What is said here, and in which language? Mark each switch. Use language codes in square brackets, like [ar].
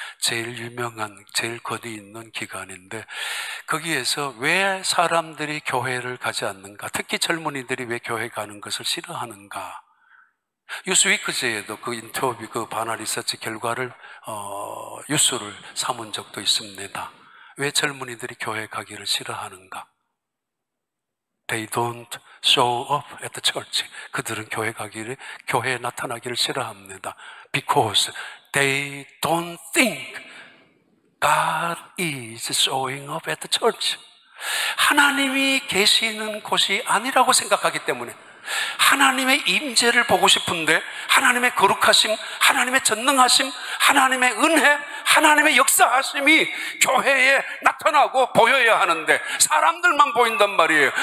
[ko] 제일 유명한, 제일 거리 있는 기관인데, 거기에서 왜 사람들이 교회를 가지 않는가, 특히 젊은이들이 왜 교회 가는 것을 싫어하는가. 뉴스위크지에도 그 인터뷰, 그 바나 리서치 결과를, 뉴스를 삼은 적도 있습니다. 왜 젊은이들이 교회 가기를 싫어하는가. [en] They don't show up at the church. [ko] 그들은 교회 가기를, 교회에 나타나기를 싫어합니다. [en] Because they don't think God is showing up at the church. [ko] 하나님이 계시는 곳이 아니라고 생각하기 때문에 하나님의 임재를 보고 싶은데 하나님의 거룩하심, 하나님의 전능하심, 하나님의 은혜, 하나님의 역사하심이 교회에 나타나고 보여야 하는데 사람들만 보인단 말이에요.